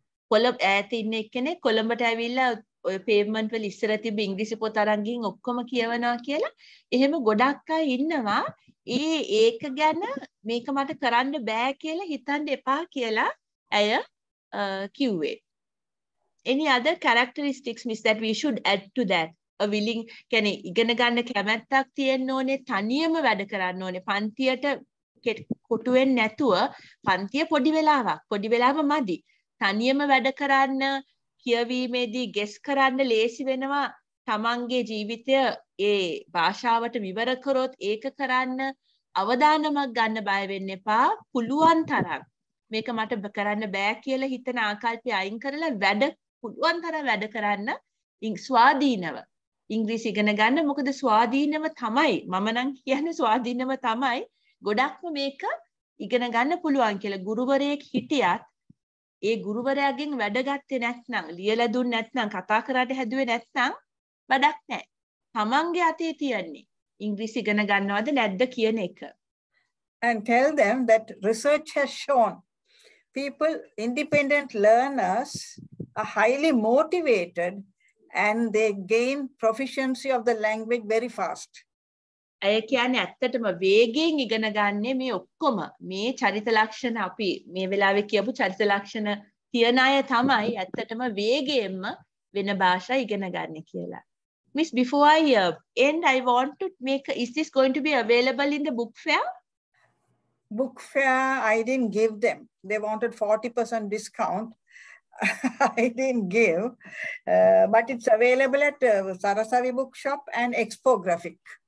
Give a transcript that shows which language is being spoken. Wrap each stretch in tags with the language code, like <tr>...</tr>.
<si>කොළඹ ඈත ඉන්න එක්කනේ කොළඹට ඇවිල්ලා ඔය පේමන්ට් වල ඉස්සර තිබ්බ ඉංග්‍රීසි පොත අරන් ගින් ඔක්කොම කියවනවා කියලා එහෙම ගොඩක් අය ඉන්නවා ඒක ගැන මේක මට කරන්න බෑ කියලා හිතන්න එපා කියලා ඇය කිව්වේ.</si> <en>Any other characteristics miss that we should add to that? A willing</en> <si>කියන්නේ ඉගෙන ගන්න කැමැත්තක් තියෙන්න ඕනේ තනියම වැඩ කරන්න ඕනේ පන්තියට කොටු වෙන්නේ නැතුව පන්තිය පොඩි වෙලාවක් මදි. තනියම වැඩ කරන්න කියවීමේදී ගෙස් කරන්න ලේසි වෙනවා. තමන්ගේ ජීවිතය ඒ භාෂාවට විවර කරොත් ඒක කරන්න අවදානමක් ගන්න බය වෙන්න එපා පුළුවන් තරම් මේක මට කරන්න බෑ කියලා හිතන ආකල්පය අයින් කරලා වැඩ පුළුවන් තරම් වැඩ කරන්න ස්වාධීනව ඉංග්‍රීසි ඉගෙන ගන්න මොකද ස්වාධීනව තමයි මම නම් කියන්නේ ස්වාධීනව තමයි ගොඩක්ම මේක ඉගෙන ගන්න පුළුවන් කියලා ගුරුවරයෙක් හිටියත් ඒ ගුරුවරයාගෙන් වැඩ ගත්තේ නැත්නම් ලියලා දුන්නේ නැත්නම් කතා කරලා හැදුවේ නැත්නම් වැඩක් නැහැ. තමන්ගේ අතේ තියන්නේ ඉංග්‍රීසි ඉගෙන ගන්නවද නැද්ද කියන එක.</si> <en>And tell them that research has shown people, independent learners, are highly motivated and they gain proficiency of the language very fast.</en> <si>ඒ කියන්නේ ඇත්තටම වේගයෙන් ඉගෙන ගන්න මේ ඔක්කොම මේ චරිත ලක්ෂණ අපි මේ වෙලාවේ කියපු චරිත ලක්ෂණ තියන අය තමයි ඇත්තටම වේගයෙන්ම වෙන භාෂා ඉගෙන ගන්න කියලා.</si> <en>Miss, before I end, I want to make, is this going to be available in the book fair? Book fair, I didn't give them. They wanted 40% discount. I didn't give. But it's available at Sarasavi Bookshop and Expographic.</en>